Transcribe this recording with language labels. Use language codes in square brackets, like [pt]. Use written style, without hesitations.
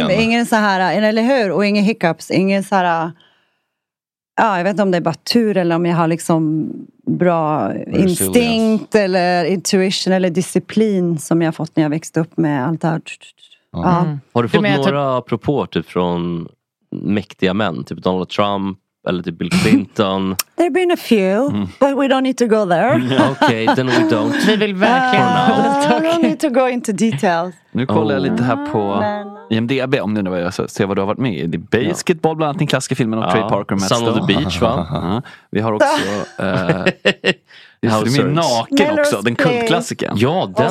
[sv] ingen så här, eller hur, och inga hiccups, ingen så här, ja, jag vet inte om det är bara tur eller om jag har liksom bra instinkt eller intuition eller disciplin som jag fått när jag växte upp med allt det här. Ja. Mm. Har du fått några propåer typ från mäktiga män, typ Donald Trump eller typ Bill Clinton? [en] There have been a few, but we don't need to go there. Okay, then we don't. [sv] Vi vill verkligen [en] I don't need to go into details. [sv] Nu kollar jag lite här på IMDb, om du nu vill se vad du har varit med i. Det är basketball, bland annat den klassiska filmen av Trey Parker. Sun of the Beach, va? Vi har också... du är naken också, den kultklassiken. Ja, den